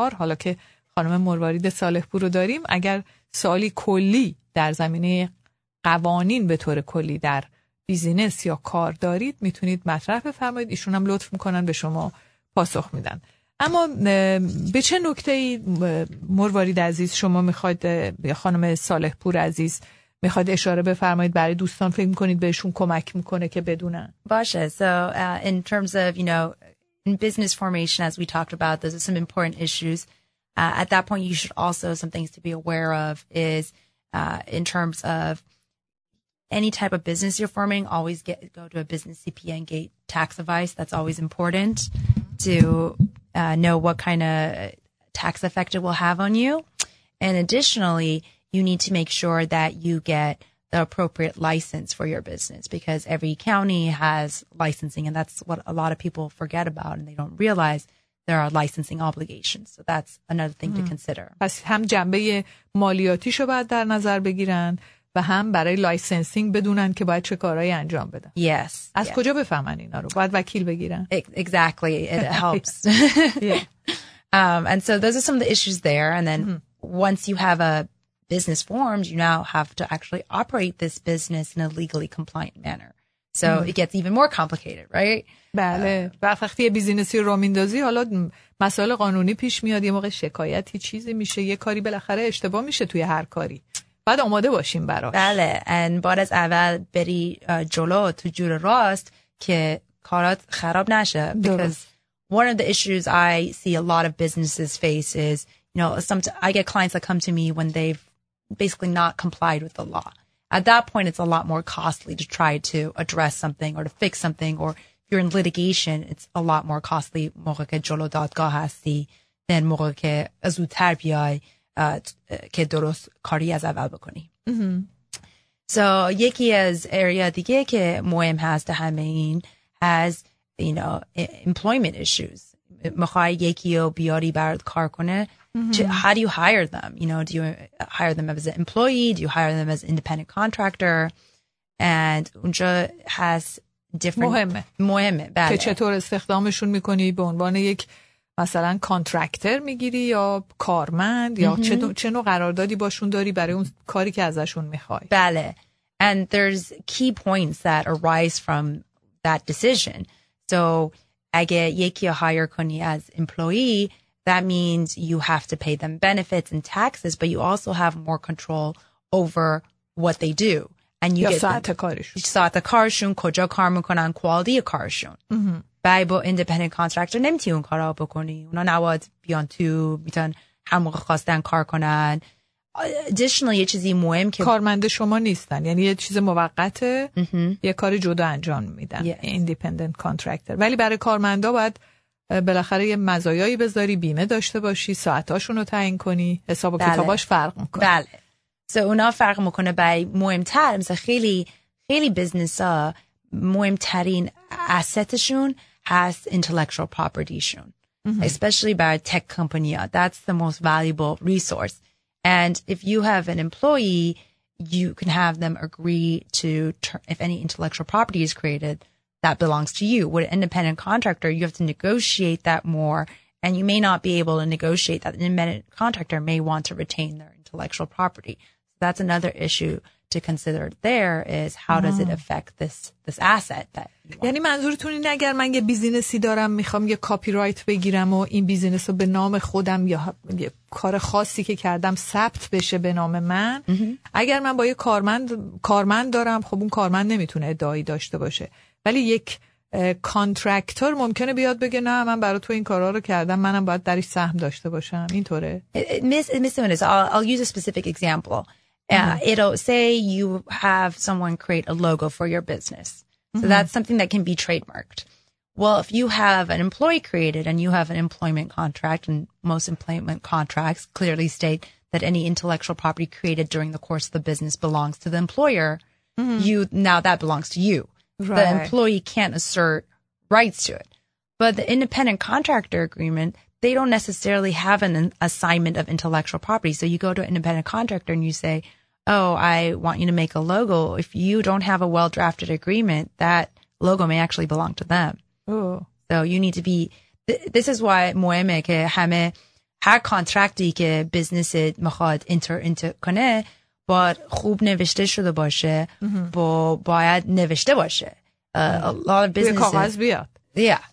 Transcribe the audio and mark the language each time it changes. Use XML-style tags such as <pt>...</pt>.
<fa>حالا که خانم مروارید صالح پور رو داریم، اگر سوالی کلی در زمینه قوانین به طور کلی در بیزینس یا کار دارید میتونید مطرح بفرمایید، ایشون هم لطف میکنن به شما پاسخ میدن. اما به چه نکته ای مروارید عزیز شما میخواید، خانم صالح پور عزیز میخواد اشاره بفرمایید برای دوستان فکر میکنید بهشون کمک میکنه که بدونن؟ باشه.</fa> <en>So in terms of, you know, in business formation, as we talked about, those are some important issues. At that point, you should also, some things to be aware of is in terms of any type of business you're forming, always get go to a business CPA and get tax advice. That's always important to know what kind of tax effect it will have on you. And additionally, you need to make sure that you get the appropriate license for your business, because every county has licensing, and that's what a lot of people forget about and they don't realize there are licensing obligations. So that's another thing to consider.</en> <fa>پس هم جنبه مالیاتیشو باید در نظر بگیرن و هم برای لایسنسینگ بدونن که باید چه کارهایی انجام بدن.</fa> <en>Yes.</en> <fa>از کجا بفهمن اینا رو؟ باید وکیل بگیرن.</fa> <en>Exactly. It helps. And so those are some of the issues there, and then once you have a business formed, you now have to actually operate this business in a legally compliant manner. So it gets even more complicated, right?</en> <fa>بله. وقتی یه بیزینسی رو میندازی، حالا مسائل قانونی پیش میاد، یه موقع شکایتی چیزی میشه، یه کاری بالاخره اشتباه میشه توی هر کاری. بعد آماده باشیم براش. بله. And باید از اول بری جلو تو جور راست که کارات خراب نشه.</fa> <en>Because one of the issues I see a lot of businesses face is, you know, I get clients that come to me when they've basically not complied with the law. At that point, it's a lot more costly to try to address something or to fix something. Or if you're in litigation, it's a lot more costly</en> <fa>موقع که جلو دادگاه هستی than موقع که زودتر بیای که درست کاری از اول بکنی. So یکی از area دیگه که مهم هست همه این</fa> <en>has, you know, employment issues.</en> <fa>میخوای یکی رو بیاری برات کار کنه.</fa> <en>How do you hire them? You know, do you hire them as an employee? Do you hire them as an independent contractor? And</en> <fa>اونجا</fa> <en>has different...</en> <fa>مهمه. بله. که چطور استخدامشون میکنی، به عنوان یک مثلا کانترکتر میگیری یا کارمند یا چه نوع قراردادی باشون داری برای اون کاری که ازشون میخوای. بله.</fa> <en>And there's key points that arise from that decision. So</en> <fa>اگه یکی رو</fa> <en>hire کنی as employee, that means you have to pay them benefits and taxes, but you also have more control over what they do.</en> <fa>And you ساعت کارشون، کجا کار میکنن،</fa> <en>quality of</en> <fa>کارشون. بعد با independent contractor نمیتی اون کار رو بکنی. اونا نواد بیان تو، میتون هر موقع خواستن کار کنن. Additionally, یه چیزی مهم که... کارمند شما نیستن. یعنی یه چیز موقته، یه کار جدا انجام میدن.</fa> <en>Yes. Independent contractor.</en> <fa>ولی برای کارمندا باید بالاخره یه مزایایی بذاری، بیمه داشته باشی، ساعتاشون رو تعیین کنی، حساب و بله. کتاباش فرق میکنه. بله. So اونا فرق میکنه. بای مهمتر، مثلا خیلی خیلی بزنس ها مهمترین assetشون هست intellectual propertyشون.</fa> <en>Especially by tech company ها. That's the most valuable resource. And if you have an employee, you can have them agree to if any intellectual property is created that belongs to you. With an independent contractor, you have to negotiate that more, and you may not be able to negotiate that. An independent contractor may want to retain their intellectual property. That's another issue to consider there, is how does it affect this asset that you want.</en> <fa>یعنی منظورتون اینه اگر من یه بیزینسی دارم میخوام یه کپی رایت بگیرم و این بیزینس رو به نام خودم یا یه کار خاصی که کردم ثبت بشه به نام من، اگر من با یه کارمند دارم، خب اون کارمند نمیتونه ادعایی داشته باشه، ولی یک کانترکتور ممکنه بیاد بگه نه من برای تو این کارا رو کردم، منم باید درش سهم داشته باشم. اینطوره؟</fa> <en>I'll use a specific example. It'll say you have someone create a logo for your business. So that's something that can be trademarked. Well, if you have an employee created and you have an employment contract, and most employment contracts clearly state that any intellectual property created during the course of the business belongs to the employer, you now that belongs to you. Right. The employee can't assert rights to it. But the independent contractor agreement, they don't necessarily have an assignment of intellectual property. So you go to an independent contractor and you say, oh, I want you to make a logo. If you don't have a well-drafted agreement, that logo may actually belong to them. Ooh. So you need to be, this is why</en> <fa>مهمه که همه هر کانترکتی که بزنس مخواد انتر کنه باید خوب نوشته شده باشه با باید نوشته باشه.</fa> <en>A lot of businesses.</en> <fa>به کاغذ بیاد.</fa> <en>Yeah.</en>